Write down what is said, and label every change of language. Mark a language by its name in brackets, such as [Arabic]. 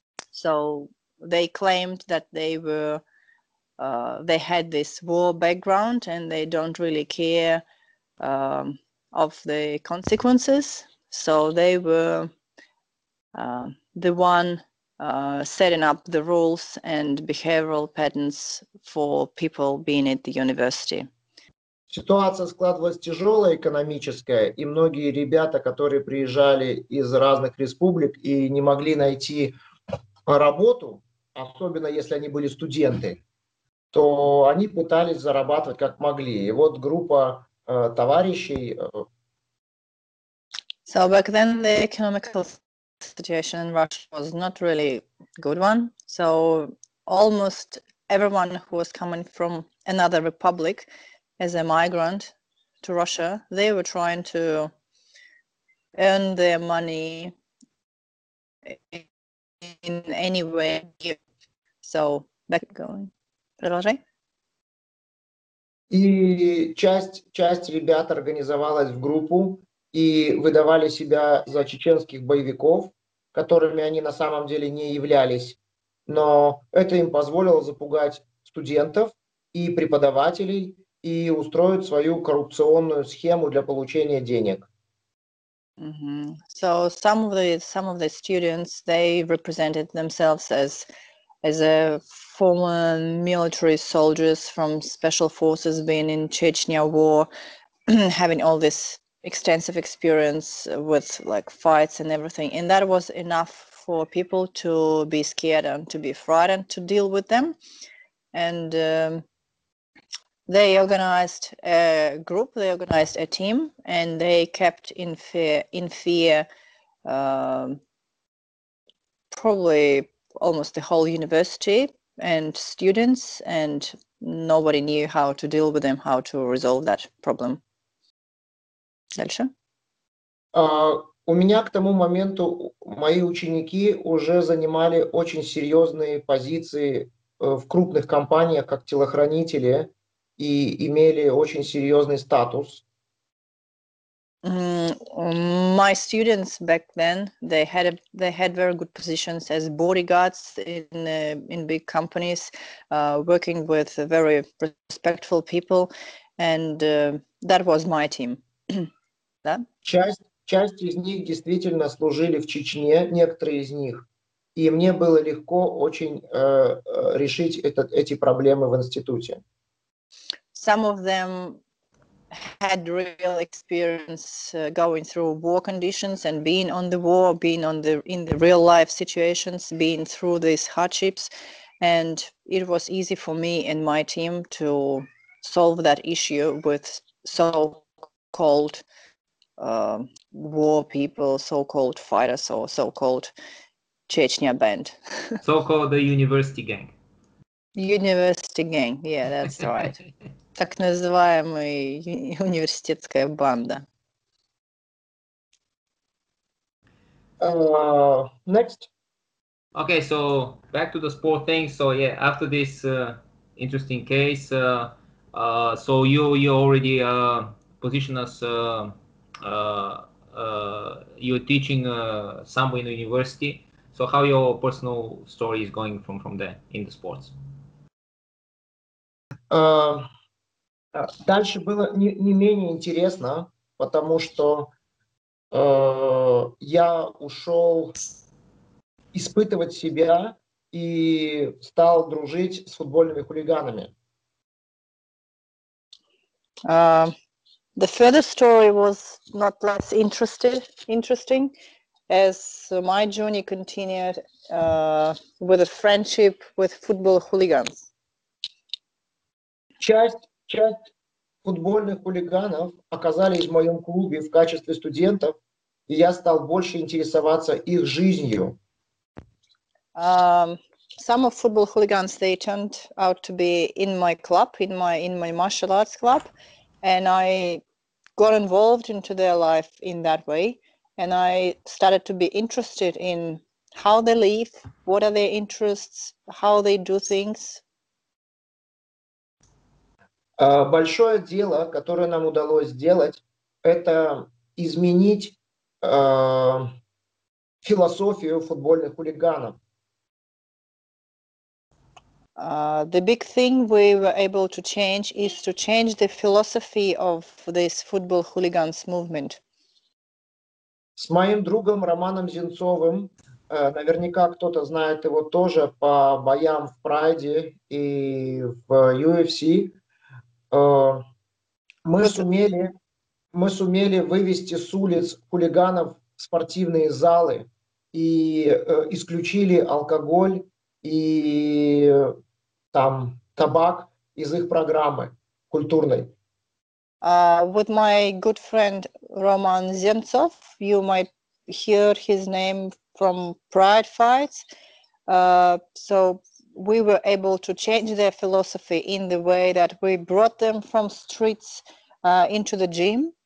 [English] So they claimed that they had this war background and they don't really care of the consequences. So they were the one setting up the rules and behavioral patterns for people being at the university. [Russian] Ситуация складывалась тяжелая экономическая, и многие ребята, которые приезжали из разных республик и не могли найти работу, особенно если они были студенты, то они пытались зарабатывать как могли. И вот группа товарищей... [English] So back then the economical situation in Russia was not really good one. So almost everyone who was coming from another republic as a migrant to Russia, they were trying to earn their money in any way. So back going. [Russian] Продолжай. И часть ребят организовалась в группу и выдавали себя за чеченских боевиков, которыми они на самом деле не являлись. Но это им позволило запугать студентов и преподавателей и устроить свою коррупционную схему для получения денег. Mm-hmm. [English] So some of the students, they represented themselves as a former military soldiers from special forces being in Chechnya war, having all this extensive experience with like fights and everything, and that was enough for people to be scared and to be frightened to deal with them. And they organized a group, they organized a team, and they kept in fear probably almost the whole university and students, and nobody knew how to deal with them, how to resolve that problem. [Russian] Дальше. У меня к тому моменту мои ученики уже занимали очень серьезные позиции в крупных компаниях как телохранители и имели очень серьезный статус. [English] My students back then, they had very good positions as bodyguards in big companies, working with very respectful people, and that was my team. [Russian] Да? Часть из них действительно служили в Чечне, некоторые из них, и мне было легко очень решить эти проблемы в институте. [English] Some of them had real experience going through war conditions and being on the war, being on the in the real life situations, being through these hardships, and it was easy for me and my team to solve that issue with so-called war people, so-called fighters, or so-called Chechnya band. So-called the university gang. University gang, yeah, that's right. [Russian] Так называемая университетская банда. [English] Next. Okay, so back to the sport thing. So yeah, after this interesting case, so you already positioned as you're teaching samba in the university. So how your personal story is going from there in the sports? [Russian] Дальше было не менее интересно, потому что я ушел испытывать себя и стал дружить с футбольными хулиганами. [English] The further story was not less interesting as my journey continued with a friendship with football hooligans. [Russian] Часть футбольных хулиганов оказались в моем клубе в качестве студентов, и я стал больше интересоваться их жизнью. [English] Some of football hooligans, they turned out to be in my club, in my martial arts club, and I got involved into their life in that way, and I started to be interested in how they live, what are their interests, how they do things. [Russian] Большое дело, которое нам удалось сделать, это изменить философию футбольных хулиганов. [English] The big thing we were able to change is to change the philosophy of this football hooligans movement. [Russian] С моим другом Романом Зинцовым, наверняка кто-то знает его тоже по боям в Прайде и в UFC, мы сумели вывести с улиц хулиганов в спортивные залы и исключили алкоголь и там табак из их программы культурной. [English] With my good friend Roman Zemtsov, you might hear his name from Pride Fights. So we were able to change their philosophy in the way that we brought them from streets into the gym.